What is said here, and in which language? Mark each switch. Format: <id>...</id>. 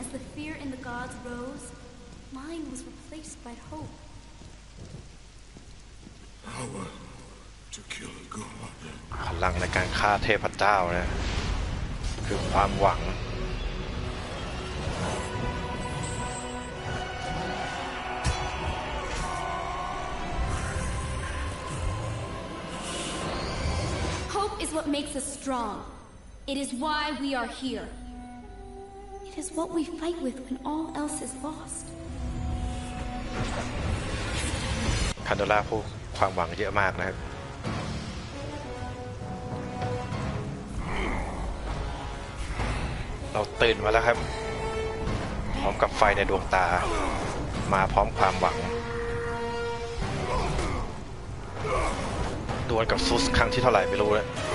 <en>As the fear in the gods rose, mine was replaced by hope. Power to kill a god.</en> <th>พลังในการฆ่าเทพเจ้านะคือความหวัง</th> <en>What makes us strong? It is why we are here. It is what we fight with when all else is lost.</en> <th>คาโดล่าพูดความหวังเยอะมากนะครับเราตื่นมาแล้วครับพร้อมกับไฟในดวงตามาพร้อมความหวังดวลกับซูสครั้งที่เท่าไหร่ไม่รู้แล้ว</th>